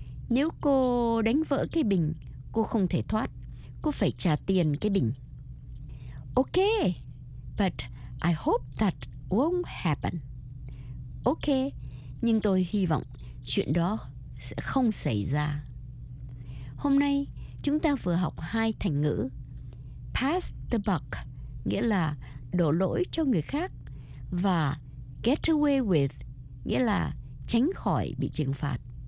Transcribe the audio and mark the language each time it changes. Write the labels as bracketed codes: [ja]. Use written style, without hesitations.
[vi] Nếu cô đánh vỡ cái bình, cô không thể thoát. Cô phải trả tiền cái bình. [en] Okay. But I hope that won't happen. [vi] Ok, nhưng tôi hy vọng chuyện đó sẽ không xảy ra. Hôm nay, chúng ta vừa học hai thành ngữ. [en] Pass the buck, [vi] nghĩa là đổ lỗi cho người khác. Và [en] get away with, [vi] nghĩa là tránh khỏi bị trừng phạt.